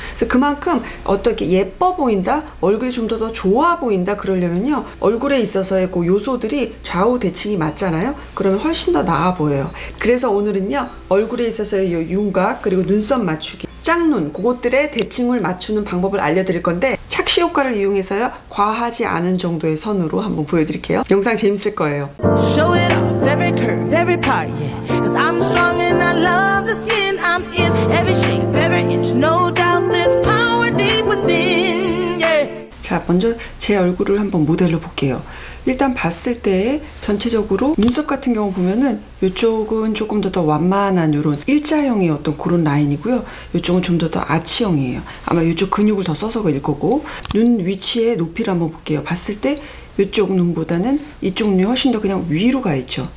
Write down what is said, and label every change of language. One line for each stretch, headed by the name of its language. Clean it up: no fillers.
Korean: 그래서 그만큼 어떻게 예뻐 보인다, 얼굴이 좀 더 좋아 보인다 그러려면요, 얼굴에 있어서의 그 요소들이 좌우 대칭이 맞잖아요. 그러면 훨씬 더 나아 보여요. 그래서 오늘은요, 얼굴에 있어서의 윤곽 그리고 눈썹 맞추기, 짝눈, 그것들의 대칭을 맞추는 방법을 알려드릴 건데, 착시 효과를 이용해서요, 과하지 않은 정도의 선으로 한번 보여드릴게요. 영상 재밌을 거예요.
English: Show it off, every curve, every part, yeah. Cause I'm strong and I love the skin I'm in. Every shape, every inch, no doubt there's power deep within, yeah.
Korean: 자, 먼저 제 얼굴을 한번 모델로 볼게요. 일단 봤을 때 전체적으로 눈썹 같은 경우 보면은 이쪽은 조금 더 완만한 이런 일자형의 어떤 그런 라인이고요. 이쪽은 좀 더 아치형이에요. 아마 이쪽 근육을 더 써서 그일 거고. 눈 위치의 높이를 한번 볼게요. 봤을 때 이쪽 눈보다는 이쪽 눈이 훨씬 더 그냥 위로 가 있죠.